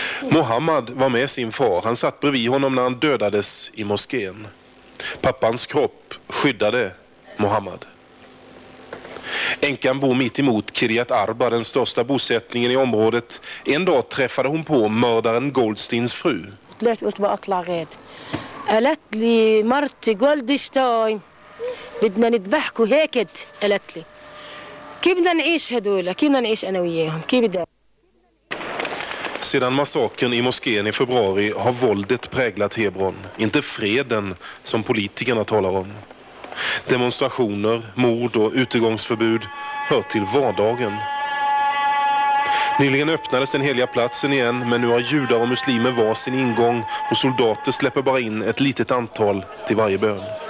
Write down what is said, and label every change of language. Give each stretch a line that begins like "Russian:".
Swedish: Mohammed var med sin far. Han satt bredvid honom när han dödades i moskén. Pappans kropp skyddade Mohammed. Enkan bor mitt emot Kiryat Arba, den största bosättningen i området. En dag träffade hon på mördaren Goldsteins fru. Det var bara klarhet.
Arabic: قالت لي مرتي جولدشتاين بدنا نذبحكوا هيك قالت لي كيف بدنا نعيش هذول كيف بدنا نعيش انا وياهم كيف بدنا.
Swedish: Sedan massakern i moskén i februari har våldet präglat Hebron, inte freden som politikerna talar om. Demonstrationer, mord och utegångsförbud hör till vardagen. Nyligen öppnades den heliga platsen igen, men nu har judar och muslimer var sin ingång och soldater släpper bara in ett litet antal till varje bön.